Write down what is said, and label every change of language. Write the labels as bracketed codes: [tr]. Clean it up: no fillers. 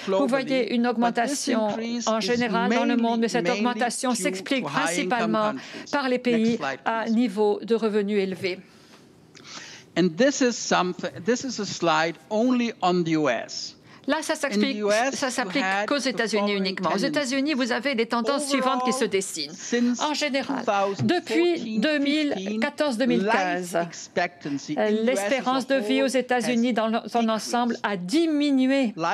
[fr] Vous voyez une augmentation en général dans le monde, mais cette augmentation s'explique principalement par les pays à niveau de revenus élevés. [en] And this is a slide only on the US. [fr] Là, ça s'applique qu'aux États-Unis uniquement. Aux États-Unis, vous avez les tendances suivantes qui se dessinent. En général, depuis 2014-2015, l'espérance de vie aux États-Unis dans son ensemble a diminué.